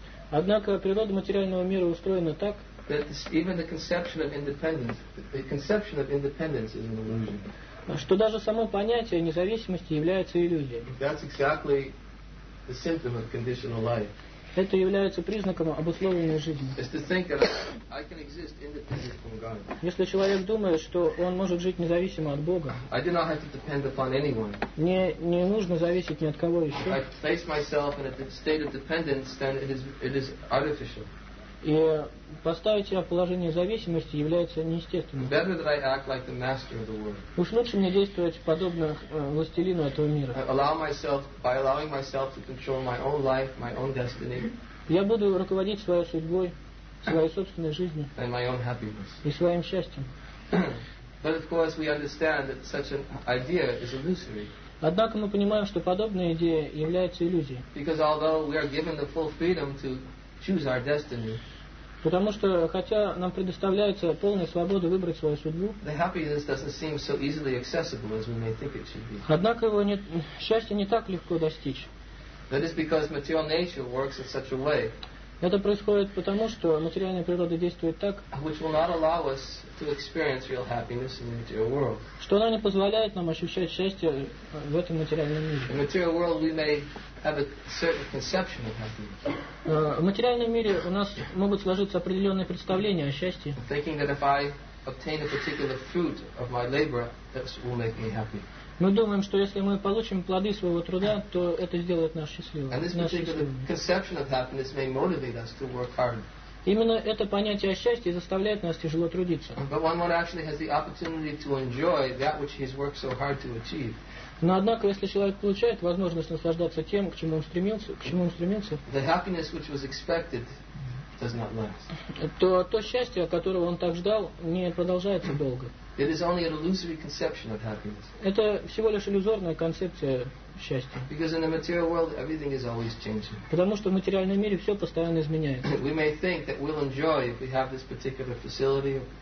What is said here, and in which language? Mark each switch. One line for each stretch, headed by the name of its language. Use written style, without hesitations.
Russian: Однако природа материального мира устроена так,
English: that this, even the conception of independence, the conception of independence is an illusion.
Russian: Что даже само понятие независимости является иллюзией.
English: That's exactly the symptom of conditional life.
Russian: Это является признаком обусловленной жизни.
English: Is to think that I can exist independent from God.
Russian: Если человек думает, что он может жить независимо от Бога,
English: I do not have to depend upon anyone.
Russian: Не нужно зависеть ни от кого еще.
English: If I place myself in a state of dependence, then it is artificial.
Russian: И поставить себя в положение зависимости является неестественным.
English: Better that I act like the master of the world.
Russian: Уж лучше мне действовать подобно властелину этого мира.
English: By allowing myself to control my own life, my own destiny.
Russian: Я буду руководить своей судьбой, своей собственной жизнью.
English: And my own happiness.
Russian: И своим счастьем.
English: But of course we understand that such an idea is illusory.
Russian: Однако мы понимаем, что подобная идея является иллюзией.
English: Because although we are given the full freedom to choose our destiny.
Russian: Потому что хотя нам предоставляется полная свобода выбрать свою судьбу,
English: the happiness doesn't seem so easily accessible as we may think it should be.
Russian: Однако его не, счастье не так легко достичь.
English: That is because material nature works in such a way.
Russian: Это происходит потому, что материальная природа действует так,
English: which will not allow us to experience real happiness in the material world.
Russian: Что она не позволяет нам ощущать счастье в этом материальном мире.
English: In the material world we may have a certain conception of happiness.
Russian: В материальном мире у нас могут сложиться определенные представления о счастье.
English: Thinking that if I obtain a particular fruit of my labor, that will make me happy.
Russian: Мы думаем, что если мы получим плоды своего труда, то это сделает нас счастливыми.
English: And this particular conception of happiness may motivate us to work hard.
Russian: Именно это понятие о счастье заставляет нас тяжело трудиться.
English: But one actually has the opportunity to enjoy that which he's worked so hard to achieve.
Russian: Но однако, если человек получает возможность наслаждаться тем, к чему он стремился,
English: the happiness which was expected does not last.
Russian: То счастье, которого он так ждал, не продолжается долго.
English: It is only an illusory conception of happiness.
Russian: Это всего лишь иллюзорная концепция счастья.
English: Because in the material world everything is always changing.
Russian: Потому что в материальном мире все постоянно изменяется.
English: We may think that we'll enjoy if we have this particular facility.